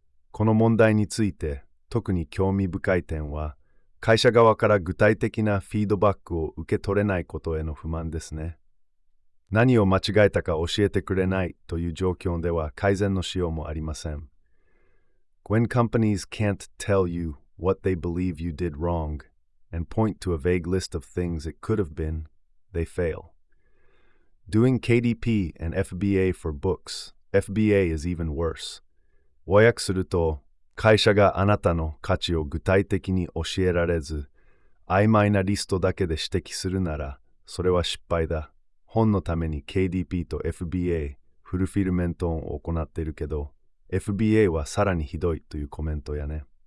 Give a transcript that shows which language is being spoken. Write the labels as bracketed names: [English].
[Japanese] この問題について、特に興味深い点は、会社側から具体的なフィードバックを受け取れないことへの不満ですね。何を間違えたか教えてくれないという状況では改善のしようもありません。 [English] When companies can't tell you what they believe you did wrong and point to a vague list of things it could have been, they fail. Doing KDP and FBA for books, FBA is even worse. [Japanese] 和訳すると、会社があなたの価値を具体的に教えられず、曖昧なリストだけで指摘するなら、それは失敗だ。本のために KDP と FBA、フルフィルメントを行っているけど、FBA はさらにひどいというコメントやね。